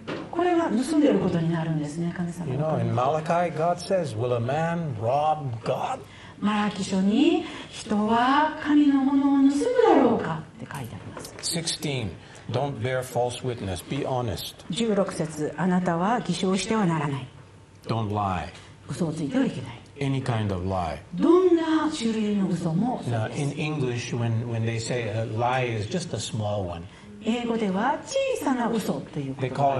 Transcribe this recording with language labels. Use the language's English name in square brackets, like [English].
[Japanese] これは盗んでることになるんですね、神様。 [English] You know, in Malachi, God says, "Will a man rob God?" [Japanese] マラキ書に人は神のものを盗むだろうかって書いてあります。 [English] 16. Don't bear false witness. Be honest. [Japanese] 16節、あなたは偽証してはならない。 [English] Don't lie. [Japanese] 嘘をついてはいけない。 [English] Any kind of lie. [Japanese] どんな種類の嘘も。 [English] Now, in English, when they say a lie is just a small one. [Japanese] 英語では小さな嘘という言葉。